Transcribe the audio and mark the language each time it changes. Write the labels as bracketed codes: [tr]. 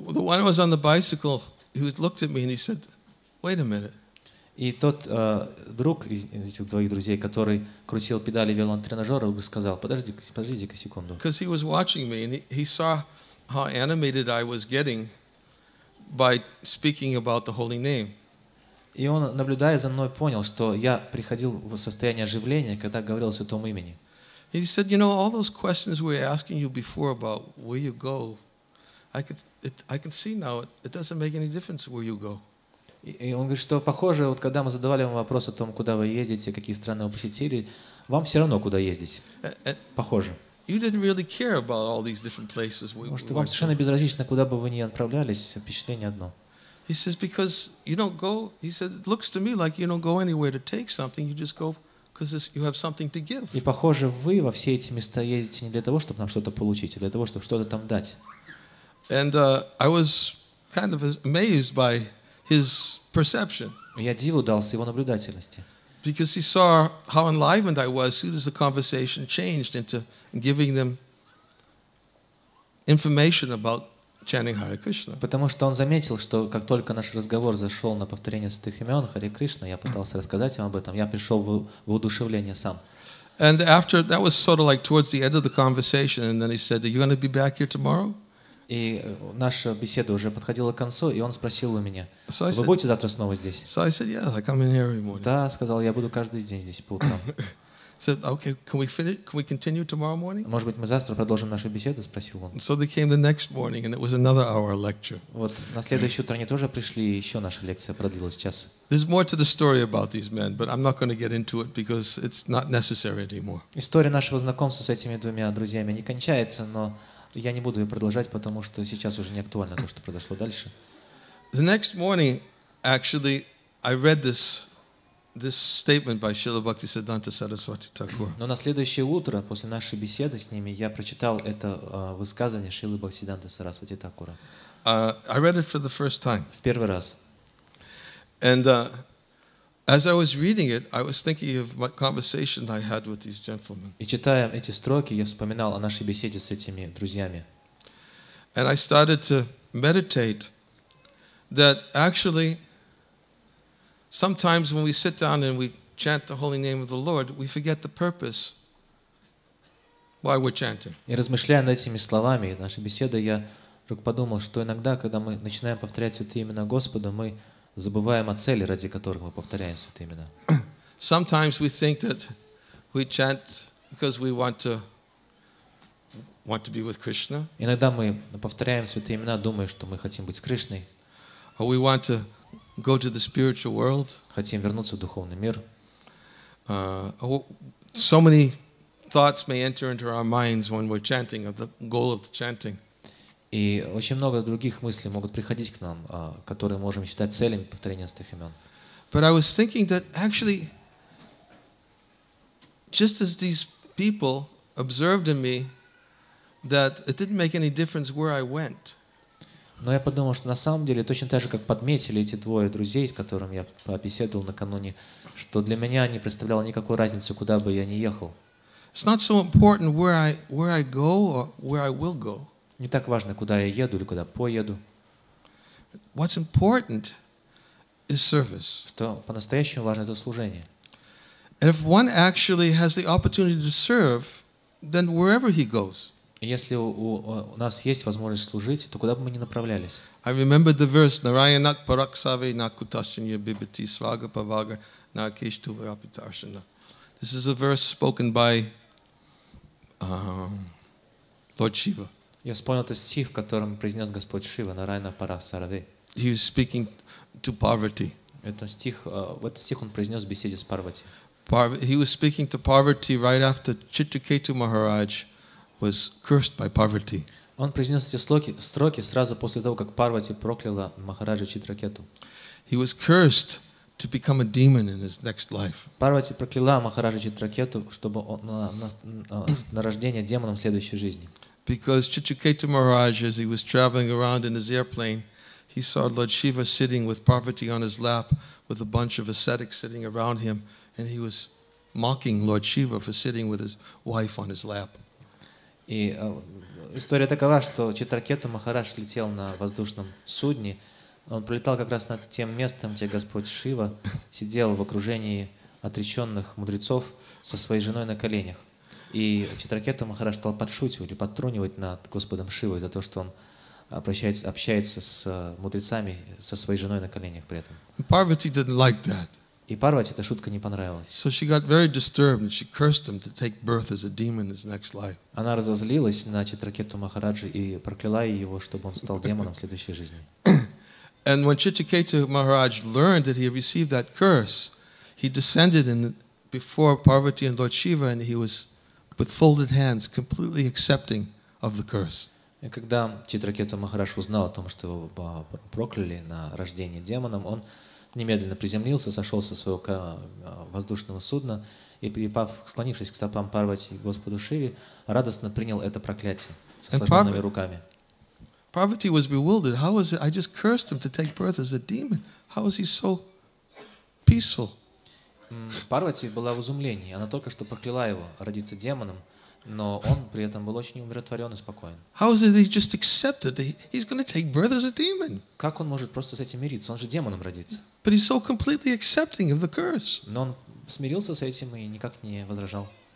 [en] The one who was on the bicycle, he looked at me and he said, "Wait a minute." [ru] И тот друг из этих двоих друзей, который крутил педали велотренажера, сказал: "Подождите-ка секунду." [en] Because he was watching me and he saw how animated I was getting by speaking about the holy name. [ru] И он, наблюдая за мной, понял, что я приходил в состояние оживления, когда говорил о Святом имени. [en] He said, "You know, all those questions we were asking you before about where you go, I can see now it doesn't make any difference where you go." [ru] И он говорит, что похоже, вот когда мы задавали вам вопрос о том, куда вы ездите, какие страны вы посетили, вам все равно куда ездить. Похоже. [en] You didn't really care about all these different places. [ru] Может, вам совершенно безразлично, куда бы вы ни отправлялись, впечатление одно. [en] He says, "Because you don't go." He said, "It looks to me like you don't go anywhere to take something. You just go because you have something to give." [ru] И похоже, вы во все эти места ездите не для того, чтобы нам что-то получить, а для того, чтобы что-то там дать. [en] And I was kind of amazed by his perception. [ru] Я диву дался его наблюдательности. [en] Because he saw how enlivened I was, soon as the conversation changed into giving them information about chanting Hare Krishna. [ru] Потому что он заметил, что как только наш разговор зашел на повторение святых имен Hare Krishna, я пытался рассказать ему об этом, я пришел в воодушевление сам. [en] And after that was sort of like towards the end of the conversation, and then he said, "Are you going to be back here tomorrow?" [ru] И наша беседа уже подходила к концу, и он спросил у меня: "Вы будете завтра снова здесь?" [en] So I said, "Yeah, I come in here every morning." [ru] Да, сказал, я буду каждый день здесь по утрам. [en] Said, "Okay, can we finish? Can we continue tomorrow morning?" [ru] Может быть, мы завтра продолжим нашу беседу? Спросил он. [en] So they came the next morning, and it was another hour lecture. [ru] Вот на следующее утро они тоже пришли, и еще наша лекция продлилась час. [en] There's more to the story about these men, but I'm not going to get into it because it's not necessary anymore. [ru] История нашего знакомства с этими двумя друзьями не кончается, но я не буду ее продолжать, потому что сейчас уже не актуально то, что произошло дальше. [en] The next morning, actually, I read this. This statement by Srila Bhaktisiddhanta Saraswati Thakur. [ru] Но на следующее утро после нашей беседы с ними я прочитал это высказывание Шрилы Бхактисиддханты Сарасвати Такура. [en] I read it for the first time. [ru] В первый раз. [en] And as I was reading it, I was thinking of my conversation I had with these gentlemen. [ru] И читая эти строки, я вспоминал о нашей беседе с этими друзьями. [en] And I started to meditate that actually sometimes when we sit down and we chant the holy name of the Lord, we forget the purpose why we're chanting. [ru] И размышляя над этими словами нашей беседы, я вдруг подумал, что иногда, когда мы начинаем повторять святые имена Господа, мы забываем о цели, ради которых мы повторяем святые имена. [en] Sometimes we think that we chant because we want to be with Krishna. [ru] Иногда мы повторяем святые имена, думая, что мы хотим быть с Кришной. [en] Or we want to go to the spiritual world. [ru] Хотим вернуться в духовный мир. [en] So many thoughts may enter into our minds when we're chanting of the goal of the chanting. [ru] И очень много других мыслей могут приходить к нам, которые можем считать целями повторения святых имен. [en] But I was thinking that actually, just as these people observed in me, that it didn't make any difference where I went. [ru] Но я подумал, что на самом деле, точно так же, как подметили эти двое друзей, с которыми я побеседовал накануне, что для меня не представляло никакой разницы, куда бы я ни ехал. [en] It's not so important where I go or where I will go. [ru] Не так важно, куда я еду или куда поеду. [en] What's important is service. [ru] Что по-настоящему важно, это служение. [en] And if one actually has the opportunity to serve, then wherever he goes. [ru] Если у нас есть возможность служить, то куда бы мы ни направлялись. [en] I remember the verse [sa] Narayanat Paraksave Nakutashanya Bibhati Svaga Pavaga Nakishtu Rapitashana. [en] This is a verse spoken by Lord Shiva. [ru] Я вспомнил этот стих, которым произнес Господь Шива, [sa] Нарайана Параксаве. [en] He was speaking to Parvati. [ru] Этот стих он произнес в беседе с Парвати. [en] He was speaking to Parvati right after Chituketu Maharaj was cursed by poverty. [ru] Он произнес эти строки сразу после того, как Парвати прокляла Махараджа Читракету. [en] He was cursed to become a demon in his next life. [ru] Парвати прокляла Махараджа Читракету, чтобы он на рождение демоном в следующей жизни. [en] Because Chituketu Maharaj, as he was traveling around in his airplane, he saw Lord Shiva sitting with Parvati on his lap, with a bunch of ascetics sitting around him, and he was mocking Lord Shiva for sitting with his wife on his lap. [ru] И история такова, что Читракету Махарадж летел на воздушном судне. Он пролетал как раз над тем местом, где Господь Шива сидел в окружении отреченных мудрецов со своей женой на коленях. И Читракету Махарадж стал подшучивать и подтрунивать над Господом Шивой за то, что он общается с мудрецами со своей женой на коленях при этом. [en] Парвати didn't like that. [ru] И Парвати эта шутка не понравилась. [en] So she got very disturbed and she cursed him to take birth as a demon in his next life. [ru] Она разозлилась на Читракету Махараджи и прокляла его, чтобы он стал демоном в следующей жизни. [en] And when Chituketu Maharaj learned that he had received that curse, he descended in before Parvati and Lord Shiva, and he was with folded hands, completely accepting of the curse. [ru] И когда Читракету Махарадж узнал о том, что его прокляли на рождение демоном, он немедленно приземлился, сошел со своего воздушного судна и, склонившись к стопам Парвати и Господу Шиве, радостно принял это проклятие со сложенными руками. [en] Parvati was bewildered. How was it? I just cursed him to take birth as a demon. How is he so peaceful? [ru] Парвати была в изумлении. Она только что прокляла его родиться демоном. Но он при этом был очень умиротворен и спокоен. [en] How is it he just accepted that he's going to take birth as a demon? [ru] Как он может просто с этим мириться? Он же демоном родится. [en] But he's so completely accepting of the curse. [ru] Но он смирился с этим и никак не возражал.